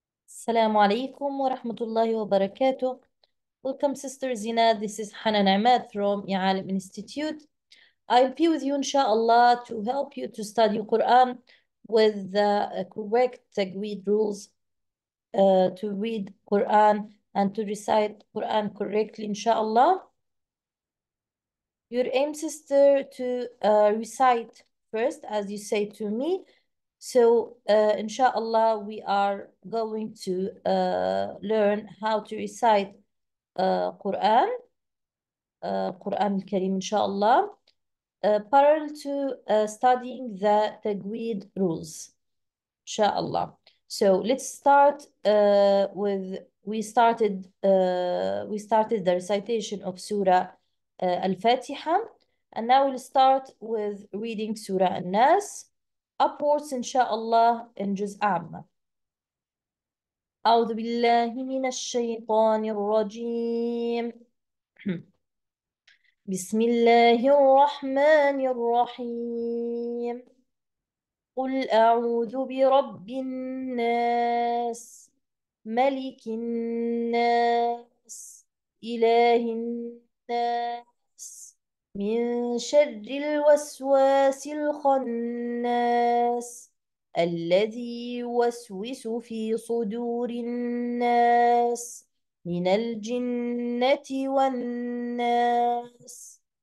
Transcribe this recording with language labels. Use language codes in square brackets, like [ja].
[ar] السلام عليكم ورحمة الله وبركاته. [en] Welcome Sister Zina, this is Hanan Ahmed from Ya'alim Institute. I'll be with you inshallah to help you to study Quran with the correct tajweed rules to read Quran and to recite Quran correctly inshallah. Your aim, sister, to recite first as you say to me. So inshallah we are going to learn how to recite Quran, Quran al-Karim inshallah, parallel to studying the tajweed rules inshallah. So let's start with we started the recitation of Surah Al-Fatiha, and now we'll start with reading Surah An-Nas upwards inshallah in juz'a'ma. [ar] أعوذ بالله من الشيطان الرجيم. بسم الله الرحمن الرحيم. قل أعوذ برب الناس، ملك الناس، إله الناس، من شر الوسواس الخناس، الذي يوسوس في صدور الناس من الجنة والناس.